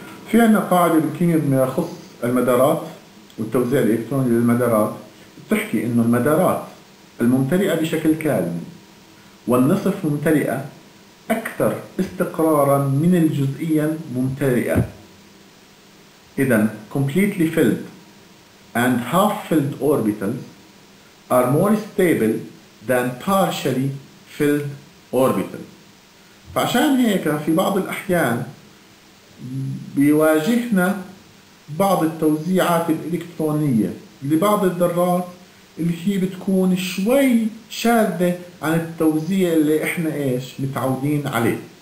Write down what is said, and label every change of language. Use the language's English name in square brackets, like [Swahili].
[Arabic] في عندنا قاعدة بالكيمياء ما يخص المدارات والتوزيع الالكتروني للمدارات بتحكي انه المدارات الممتلئة بشكل كامل والنصف ممتلئة أكثر استقراراً من الجزئياً ممتلئة. [English] إذن completely filled and half filled orbitals are more stable than partially filled orbitals. [Arabic] فعشان هيك في بعض الأحيان بيواجهنا بعض التوزيعات الإلكترونية لبعض الذرات اللي هي بتكون شوي شاذة عن التوزيع اللي احنا ايش متعودين عليه.